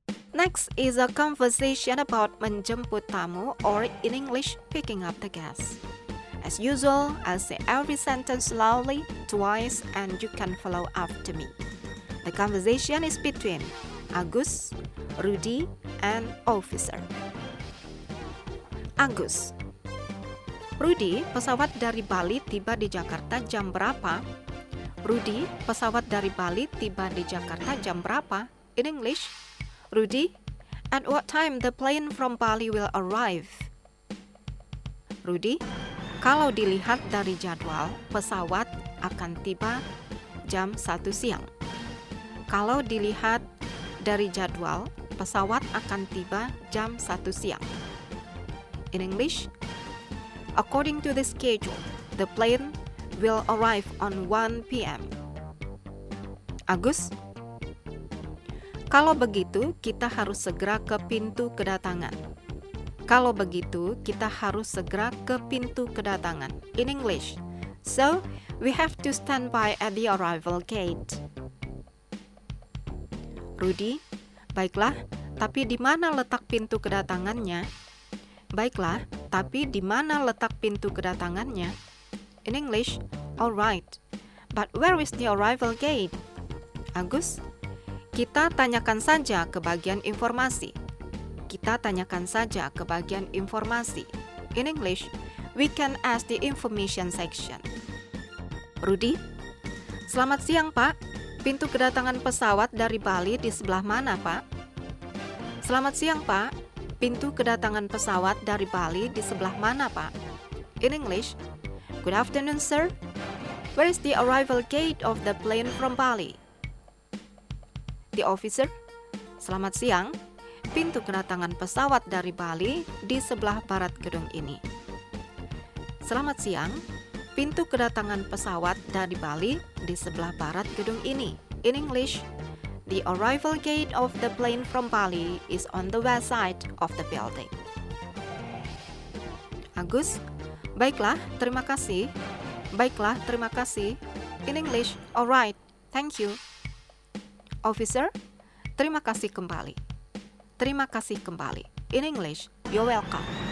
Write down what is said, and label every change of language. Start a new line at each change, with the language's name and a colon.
English: Next is a conversation about
Indonesian: menjemput tamu,
English: or in English, picking up the guest. As usual, I'll say every sentence slowly, twice, and you can follow after me. The conversation is between Agus, Rudy, and Officer. Agus.
Indonesian: Rudy, pesawat dari Bali tiba di Jakarta jam berapa? Rudy, pesawat dari Bali tiba di Jakarta jam berapa?
English: In English, Rudy, at what time the plane from Bali will arrive?
Indonesian: Rudy, kalau dilihat dari jadwal, pesawat akan tiba jam 1 siang. Kalau dilihat dari jadwal, pesawat akan tiba jam 1 siang.
English: In English, according to the schedule, the plane will arrive on 1 p.m.
Indonesian: Agus, kalau begitu, kita harus segera ke pintu kedatangan. Kalau begitu, kita harus segera ke pintu kedatangan.
English: In English, so we have to stand by at the arrival gate.
Indonesian: Rudy, baiklah, tapi di mana letak pintu kedatangannya? Baiklah, tapi di mana letak pintu kedatangannya?
English: In English, all right, but where is the arrival gate?
Indonesian: Agus, kita tanyakan saja ke bagian informasi. Kita tanyakan saja ke bagian informasi.
English: In English, we can ask the information section.
Indonesian: Rudy, selamat siang, Pak. Pintu kedatangan pesawat dari Bali di sebelah mana, Pak? Selamat siang, Pak. Pintu kedatangan pesawat dari Bali di sebelah mana, Pak?
English: In English, good afternoon, sir. Where is the arrival gate of the plane from Bali? The officer,
Indonesian: selamat siang. Pintu kedatangan pesawat dari Bali di sebelah barat gedung ini. Selamat siang. Pintu kedatangan pesawat dari Bali di sebelah barat gedung ini.
English: In English, the arrival gate of the plane from Bali is on the west side of the building.
Indonesian: Agus, baiklah, terima kasih.
English: In English, all right, thank you. Officer,
Indonesian: terima kasih kembali.
English: In English, you're welcome.